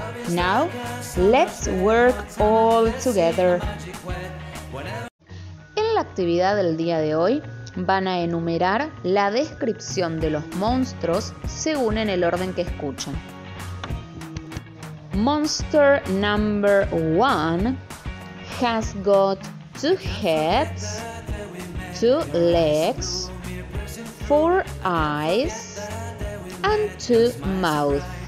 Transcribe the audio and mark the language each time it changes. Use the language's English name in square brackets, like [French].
[English] Now, let's work all together. [Spanish] En la actividad del día de hoy, van a enumerar la descripción de los monstruos según en el orden que escuchan. [English] Monster number one has got two heads, two legs, four eyes, and two mouths.